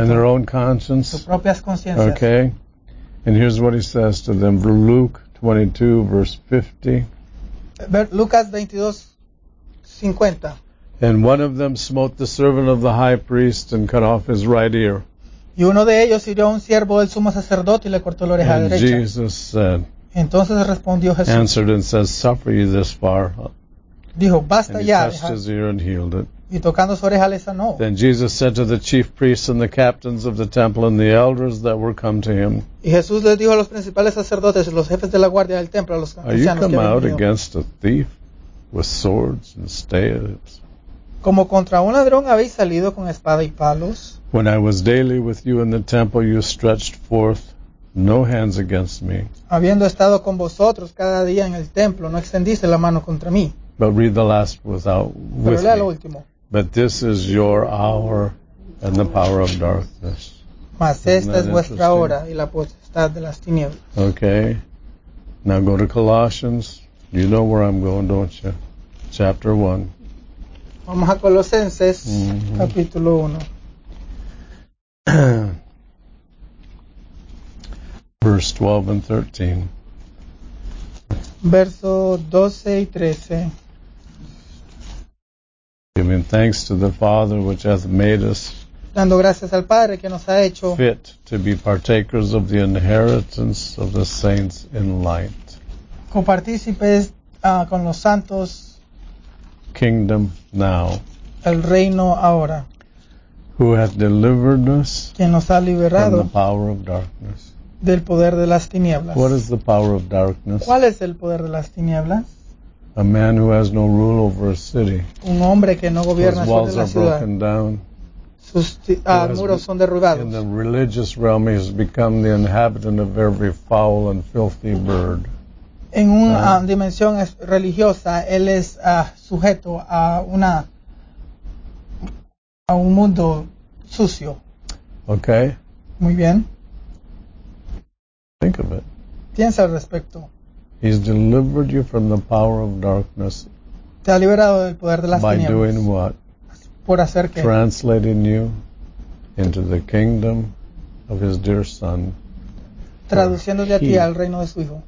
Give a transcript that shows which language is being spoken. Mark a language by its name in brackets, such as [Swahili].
[English] and their own conscience. [Spanish] Sus propias conciencias. [English] Okay. And here's what he says to them. Luke 22, verse 50. [Spanish] Lucas 22, 50. [English] And one of them smote the servant of the high priest and cut off his right ear. [Spanish] Y uno de ellos hirió a un siervo del sumo sacerdote y le cortó la oreja [English] and [Spanish] derecha. [English] Jesus said, [Spanish] entonces respondió Jesús. [English] Answered and says, suffer ye this far. [Spanish] Dijo, basta [English] and [Spanish] ya. [English] And he touched his ear and healed it. [Spanish] Y tocando su oreja le sanó. [English] Then Jesus said to the chief priests and the captains of the temple and the elders that were come to him. [Spanish] Y Jesús les dijo a los principales sacerdotes y los jefes de la guardia del templo, a los ancianos que habían venido. [English] Are you come out against a thief with swords and staves? [Spanish] Como contra un ladrón habéis salido con espada y palos. [English] When I was daily with you in the temple, you stretched forth no hands against me. [Spanish] Habiendo estado con vosotros cada día en el templo, no extendiste la mano contra mí. [English] But read the last without with [Spanish] pero lea lo último. [English] Me. But this is your hour and the power of darkness. [Spanish] Mas esta es vuestra hora y la potestad de las tinieblas. [English] Okay. Now go to Colossians. You know where I'm going, don't you? Chapter 1. [Spanish] Vamos a Colosenses, capítulo 1. [English] Verse 12 and 13. [Spanish] Verso 12 y 13. [English] Giving thanks to the Father which hath made us [Spanish] dando gracias al Padre que nos ha hecho [English] fit to be partakers of the inheritance of the saints in light. [Spanish] Copartícipes con los santos [English] kingdom now. [Spanish] El reino ahora. [English] Who hath delivered us [Spanish] quien nos ha liberado [English] from the power of darkness. [Spanish] Del poder de las tinieblas. [English] What is the power of darkness? [Spanish] ¿Cuál es el poder de las tinieblas? [English] A man who has no rule over a city. [Spanish] Un hombre que no gobierna sobre la ciudad. [English] His walls are broken down. [Spanish] Sus muros son derribados. [English] In the religious realm he has become the inhabitant of every foul and filthy bird. [Spanish] En una dimensión religiosa él es sujeto a una a un mundo sucio. [English] Okay. [Spanish] Muy bien. [English] Think of it. [Spanish] Piensa al respecto. [English] He's delivered you from the power of darkness. [Spanish] Te ha liberado del poder de las [English] by [Spanish] tinieblas. [English] By doing what? [Spanish] Por hacer qué? [English] Translating you into the kingdom of his dear son. [Spanish] Traduciéndote a ti al reino de su hijo.